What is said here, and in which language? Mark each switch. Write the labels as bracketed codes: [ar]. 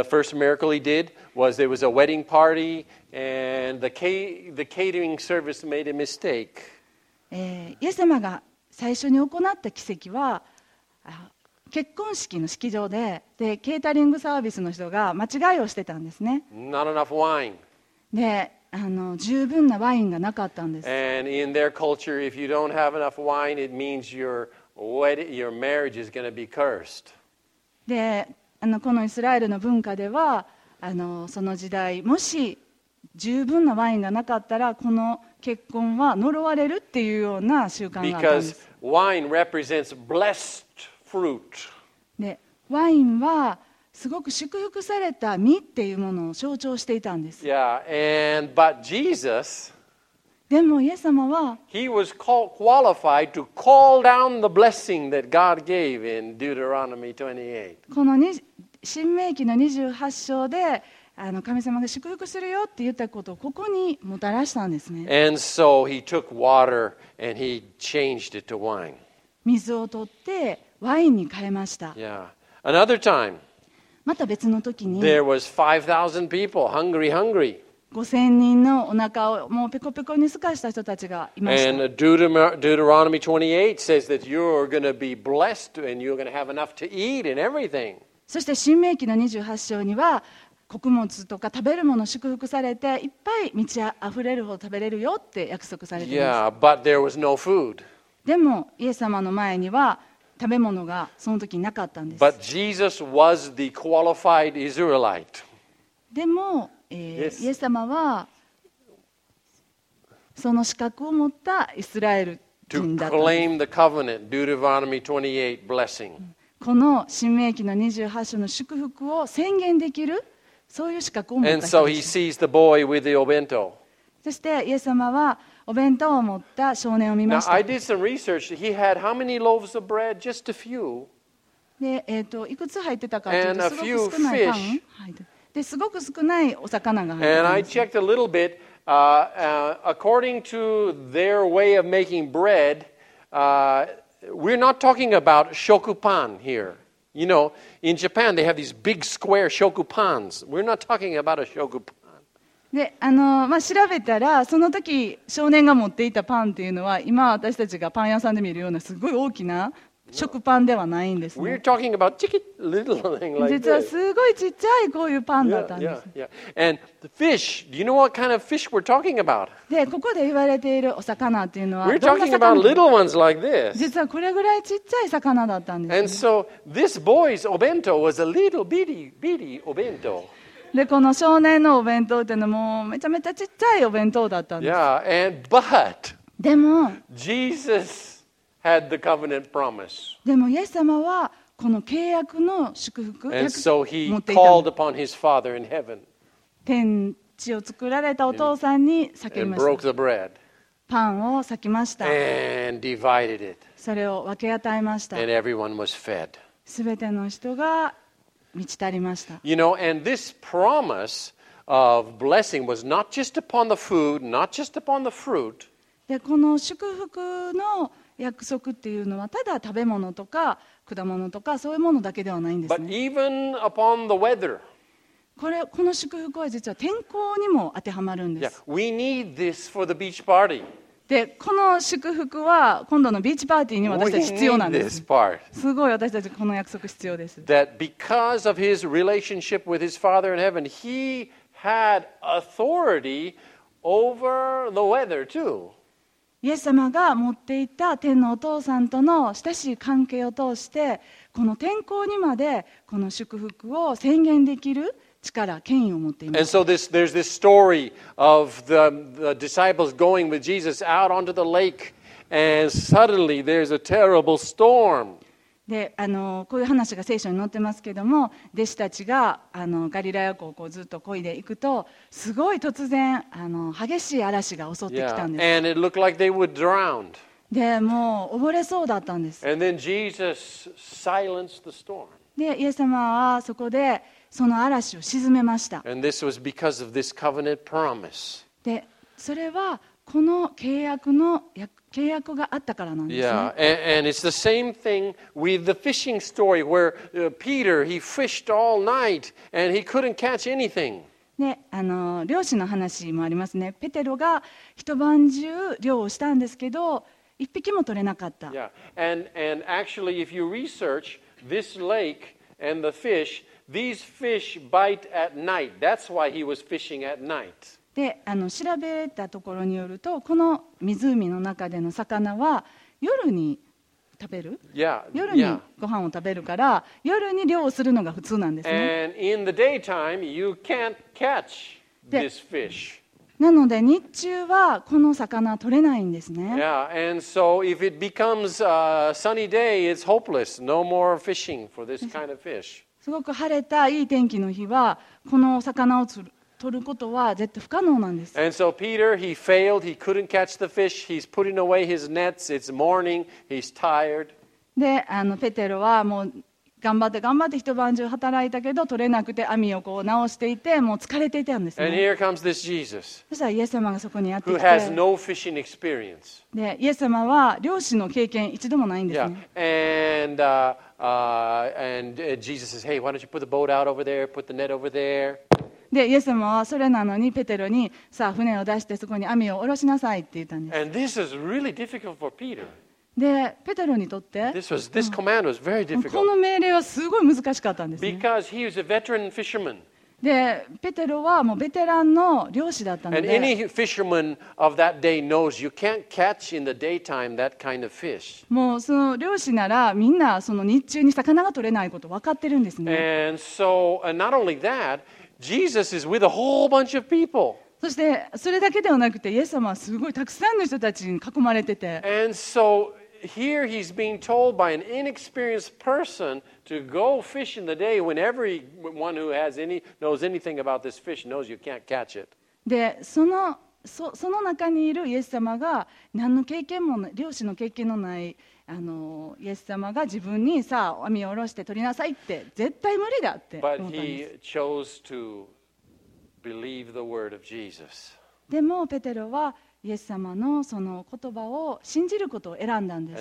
[en] The first miracle he did was there was a wedding party and the catering service made a mistake. [ja] イエス様が最初に行った奇跡は結婚式の式場で、でケータリングサービスの人が間違いをしてたんですね。 [en] Not enough wine. [ja] で十分なワインがなかったんです。 [en] And in their culture, if you don't have enough wine, it means youreYour marriage is going to be cursed. [ja] で、このイスラエルの文化では、その時代、もし十分なワインがなかったらこの結婚は呪われるっていうような習慣があったんです。 [en] Because wine represents blessed fruit. [ja] でワインはすごく祝福された実っていうものを象徴していたんです。 [en] Yeah, and, but Jesus, [ja] でもイエス様は [en] He was qualified to call down the blessing that God gave in Deuteronomy 28. [ja] この新明記の28章で神様が祝福するよって言ったことをここにもたらしたんですね。 [en] And so he took water and he changed it to wine. [ja] 水を取ってワインに変えました。 [en] Yeah. Another time, [ja] また別の時に [en] there was 5,000 people hungry. [ja] 5,000 人のお腹をもうペコペコにすかした人たちがいました。 [en] And Deuteronomy 28 says that you're going to be blessed and you're going to have enough to eat and everything. [ja] そして新明記の28章には穀物とか食べるもの祝福されていっぱい満ちあふれるほど食べれるよって約束されています。 [en] Yeah, but there was no food. [ja] でもイエス様の前には食べ物がその時なかったんです。 [en] But Jesus was the qualified Israelite. [ja] でも、イエス様はその資格を持ったイスラエル人だと。 [en] To claim the covenant, Deuteronomy 28 blessing. [ja] この新明記の28章の祝福を宣言できるそういう資格を持った人でした。 [en] So、the [ja] そしてイエス様はお弁当を持った少年を見ました。 [en] Now, I did some research. He had how many loaves of bread? Just a few. [ja] で、いくつ入ってたかというとすごく少ないパン。 [en] Fish. [ja] で、すごく少ないお魚が入ってます。 [en] And I checked a little bit. According to their way of making bread, we're not talking about shokupan here. You know, in Japan they have these big square shokupans. We're not talking about a shokupan. [ja] で、調べたらその時少年が持っていたパンっていうのは今私たちがパン屋さんで見るようなすごい大きな食パンではないんですね。 [en] We're talking about chicken little thing like this. [ja] 実はすごいちっちゃいこういうパンだったんです。 [en] Yeah, yeah, yeah. And the fish. Do you know what kind of fish we're talking about? [ja] で、ここで言われているお魚っていうのは [en] We're talking about little ones like this. [ja] 実はこれぐらいちっちゃい魚だったんです。 [en] And so this boy's obento was a little bitty obento. [ja] で、この少年のお弁当っていうのもめちゃめちゃちっちゃいお弁当だったんです。 [en] Yeah, and but. [ja] でも。 [en] Jesus. Had the covenant promise. [ja] でもイエス様はこの契約の祝福を [en] And so he called upon his father in heaven. [ja] 天地を作られたお父さんに裂きました。 [en] And broke the bread. [ja] パンを裂きました。 [en] And divided it. [ja] それを分け与えました。 [en] And everyone was fed. [ja] すべての人が満ち足りました。 [en] You know, and this promise of blessing was not just upon the food, not just upon the fruit. [ja] でこの祝福の約束っていうのはただ食べ物とか果物とかそういうものだけではないんですね。 [en] But even upon the weather, [ja] この祝福は実は天候にも当てはまるんです。 [en] Yeah, we need this for the beach party. [ja] でこの祝福は今度のビーチパーティーに私たち必要なんです。 [en] We need this part. [ja] すごい私たちこの約束必要です。 [en] That because of his relationship with his father in heaven, he had authority over the weather too. [ja] イエス様が持っていた天のお父さんとの親しい関係を通してこの天候にまでこの祝福を宣言できる力、権威を持っています。 [en] And so this, there's this story of the disciples going with Jesus out onto the lake and suddenly there's a terrible storm. [ja] で、こういう話が聖書に載ってますけども弟子たちがガリラヤ湖をこうずっと漕いでいくとすごい突然激しい嵐が襲ってきたんです。 [en] Yeah. And it looked like they would drown. [ja] でもう溺れそうだったんです。 [en] And then Jesus silenced the storm. [ja] でイエス様はそこでその嵐を鎮めました。 [en] And this was because of this covenant promise. [ja] でそれはこの契約の約束契約があったからなんですね。 [en] Yeah, and it's the same thing with the fishing story where Peter, he fished all night and he couldn't catch anything. [ja] で、漁師の話もありますね。ペテロが一晩中漁をしたんですけど、一匹も取れなかった。 [en] Yeah, and actually if you research this lake and the fish, these fish bite at night. That's why he was fishing at night. [ja] で調べたところによるとこの湖の中での魚は夜に食べる、 [en] yeah. [ja] 夜にご飯を食べるから夜に漁をするのが普通なんですね。 [en] And in the daytime, you can't catch this fish. [ja] なので日中はこの魚は取れないんですね。 [en] Yeah, and so if it becomes a sunny day, it's hopeless. No more fishing for this kind of fish. [ja] すごく晴れたいい天気の日はこの魚を取ることは絶対不可能なんです。 [en] And so Peter, he failed. He couldn't catch the fish. He's putting away his nets. It's morning. He's tired. [ja] で、ペテロはもう頑張って頑張って一晩中働いたけど取れなくて網をこう直していてもう疲れていたんですね。 [en] And here comes this Jesus, [ja] そしたらイエス様がそこにやってきて、 [en] who has no fishing experience. [ja] でイエス様は漁師の経験一度もないんですね。 [en] Yeah. And Jesus says, hey, why don't you put the boat out over there, put the net over there. [ja] でイエス様はそれなのにペテロにさあ船を出してそこに網を下ろしなさいって言ったんです。 [en] And this is really difficult for Peter. [ja] でペテロにとって [en] this command was very difficult. [ja] この命令はすごい難しかったんですね。 [en] Because he was a veteran fisherman. [ja] でペテロはもうベテランの漁師だったので [en] And any fisherman of that day knows you can't catch in the daytime that kind of fish. [ja] もうその漁師ならみんなその日中に魚が取れないこと分かってるんですね。 [en] And so, and not only that, Jesus is with a whole bunch of people. [ja] そしてそれだけではなくてイエス様はすごいたくさんの人たちに囲まれてて [en] And so here he's being told by an inexperienced person to go fish in the day when everyone who has any knows anything about this fish knows you can't catch it. [ja] でその中にいるイエス様が何の経験も漁師の経験のないイエス様が自分にさあ網を下ろして取りなさいって絶対無理だって思ったんです。 [en] But he chose to believe the word of Jesus. [ja] でもペテロはイエス様のその言葉を信じることを選んだんです。